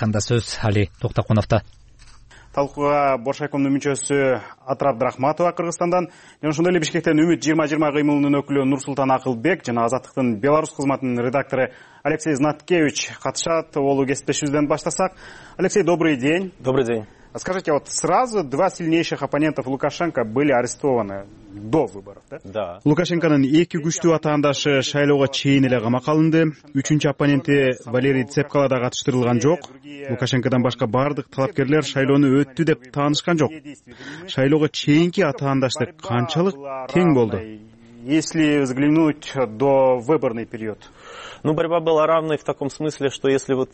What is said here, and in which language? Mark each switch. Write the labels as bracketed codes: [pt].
[ky] Анда сөз Али Токтоконовто. Талкууга Боршайкомдун мүчөсү Атрап Драхматова Кыргызстандан жана ошондой эле Бишкектен Үмүт 2020 кыймылынын өкүлү Нурсултан Акылбек жана Азаттыктын Беларусь кызматынын редактору Алексей Знаткевич катышат. Оолу кесиптешибизден баштасак. Алексей, [ru] добрый день. Добрый день. Скажите, вот сразу два сильнейших оппонентов Лукашенко были арестованы до выборов, да? Да. [ky] Лукашенконун эки күчтүү атаандашы шайлоого чейин эле камак алынды. Үчүнчү оппоненти Валерий Цепкала да катыштырылган жок. Лукашенкодон башка баардык талапкерлер шайлоону өттү деп таанышкан жок. Шайлоого чейинки атаандаштык канчалык тең болду? [ru] Если взглянуть до выборный период. Ну, борьба была равной в таком смысле, что если вот...